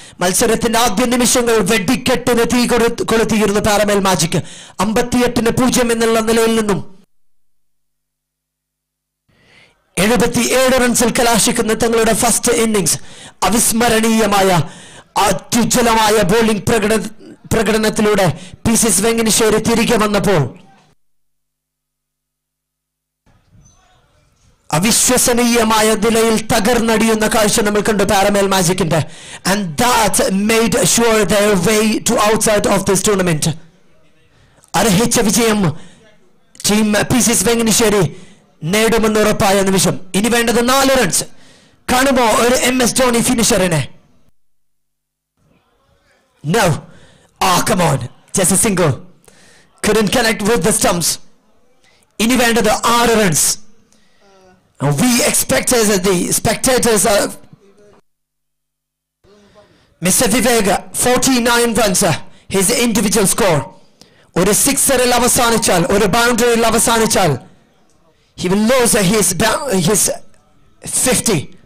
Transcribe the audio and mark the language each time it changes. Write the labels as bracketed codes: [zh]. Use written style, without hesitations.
[ml] Malsarathinte aadya nimishangal vedikettine thee koluthiyirunnu Paramal Magic 58-0 ennulla nilayil ninnum 77 runsil kalashikkunna thangalude first innings avismaraneeyamaya atyujjalamaya bowling prakadanathilude Peecees Venginissery thirike vannappol അവിശ്വസനീയമായ നിലയിൽ തകർന്നടിയുന്ന കാഴ്ച നമ്മൾ കണ്ടു പാരമേൽ മാജിക്കിന്റെ. [en] And that made sure their way to outside of this tournament. [ml] അർഹിച്ച വിജയം team Peecees Venginissery നേടുമെന്ന് ഉറപ്പായ നിമിഷം. ഇനി വേണ്ടത് 4 റൺസ്. കാണുമോ ഒരു എം എസ് ധോണി ഫിനിഷറിനെ? [en] No, ah come on, just a single, couldn't connect with the stumps. [ml] ഇനി വേണ്ടത് 6 runs. [en] We expect as the spectators of Mr. Vivek, 49 runs, his individual score. [ml] Oru sixer avasanichal, oru boundary avasanichal, [en] he will lose his 50.